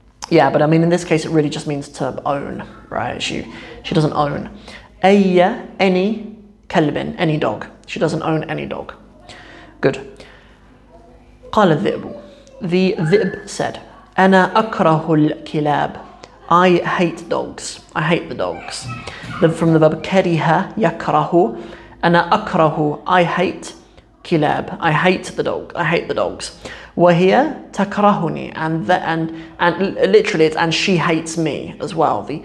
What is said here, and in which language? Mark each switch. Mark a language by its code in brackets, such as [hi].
[en] But I mean, in this case, it really just means to own, right? She doesn't own any كلبين, any dog. She doesn't own any dog. Good. [ar] قال الذئب. [en] The ذئب said, [ar] أنا أكره الكلاب. [en] I hate dogs. I hate the dogs. [ar] From the verb كره يكره. [en] أنا أكره. I hate. كلاب. I hate the dog. I hate the dogs. [ar] وهي تكرهني. [en] And literally, it's and she hates me as well.